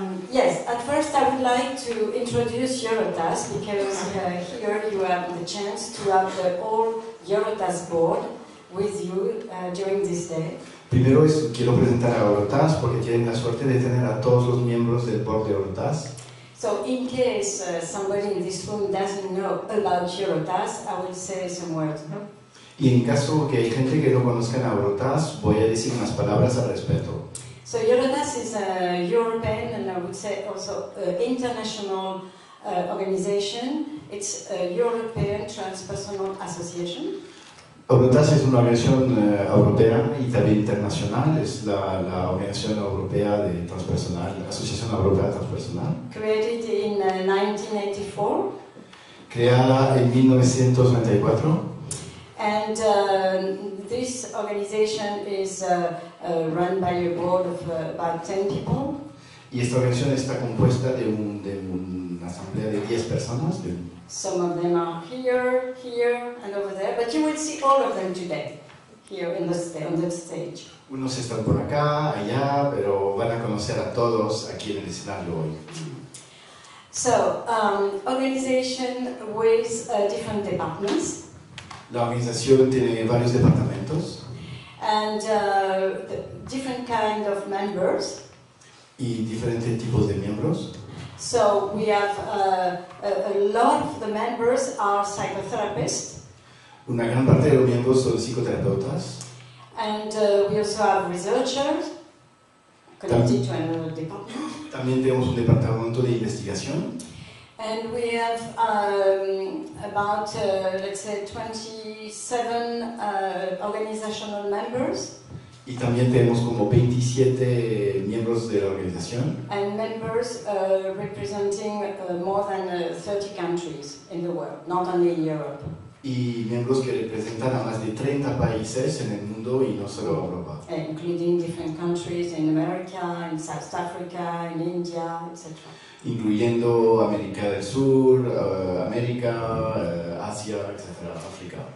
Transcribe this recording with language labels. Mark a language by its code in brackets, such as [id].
[en] Yes, at first I would like to introduce Eurotas because here you have the chance to have the whole Eurotas board with you during this day. [es] Primero quiero presentar a Eurotas porque tienen la suerte de tener a todos los miembros del board de Eurotas. [en] So in case somebody in this room doesn't know about Eurotas, I will say some words. [es] No? Y en caso que hay gente que no conozca a Eurotas, voy a decir unas palabras al respecto. [en] So Eurotas is a European and I would say also international organization. It's a European Transpersonal Association. [es] Eurotas es una organización europea y también internacional, es la Organización Europea de Transpersonal, la Asociación Europea de Transpersonal. [en] Created in 1984. [es] Creada en 1994. [en] And this organization is run by a board of about 10 people. [es] Y esta organización está compuesta de una asamblea de 10 personas. [en] Some of them are here, here, and over there, but you will see all of them today, here in the on the stage. [es] Unos están por acá, allá, pero van a conocer a todos aquí en el escenario hoy. [en] So, organization with different departments. [es] La organización tiene varios departamentos. [en] And different kind of members. [es] Y diferentes tipos de miembros. [en] So we have a lot of the members are psychotherapists. [es] Una gran parte de los miembros son psicoterapeutas. [en] And we also have researchers connected to another department. [es] También tenemos un departamento de investigación. [en] And we have about, let's say, 27 organizational members. [es] Y también tenemos como 27 miembros de la organización. [en] And members representing more than 30 countries in the world, not only in Europe. [es] y miembros que representan a más de 30 países en el mundo y no solo Europa. [en] Including different countries in America, in South Africa, in India, etc. [es] Incluyendo América del Sur, América, Asia, etc., África.